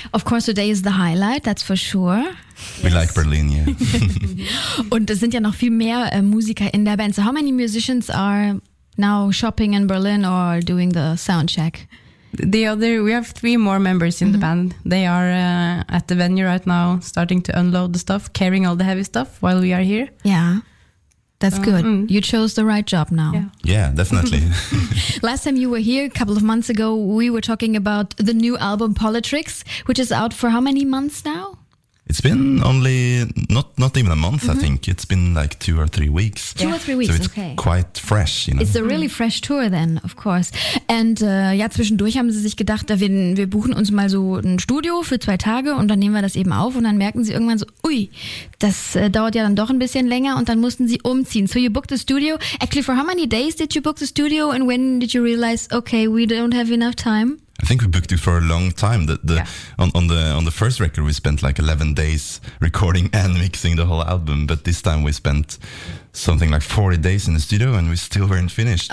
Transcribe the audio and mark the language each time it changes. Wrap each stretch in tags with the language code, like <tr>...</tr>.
<en>Of course, today is the highlight, that's for sure. Yes. We like Berlin, yeah.</en> <de>Und es sind ja noch viel mehr Musiker in der Band.</de> <en>So how many musicians are now shopping in Berlin or doing the sound check? We have three more members in the band. They are at the venue right now, starting to unload the stuff, carrying all the heavy stuff while we are here. Yeah. That's good. You chose the right job now. Yeah definitely. Last time you were here, a couple of months ago, we were talking about the new album, Politrix, which is out for how many months now? It's been only, not even a month, I think. It's been like 2 or 3 weeks. Yeah. 2 or 3 weeks, so it's okay. It's quite fresh, you know. It's a really fresh tour then, of course.</en> <de>And ja, zwischendurch haben sie sich gedacht, wir buchen uns mal so ein Studio für 2 Tage und dann nehmen wir das eben auf und dann merken sie irgendwann so, ui, das dauert ja dann doch ein bisschen länger und dann mussten sie umziehen.</de> <en>So you booked the studio. Actually, for how many days did you book the studio and when did you realize, okay, we don't have enough time? I think we booked it for a long time. On the first record, we spent like 11 days recording and mixing the whole album. But this time we spent something like 40 days in the studio and we still weren't finished.</en>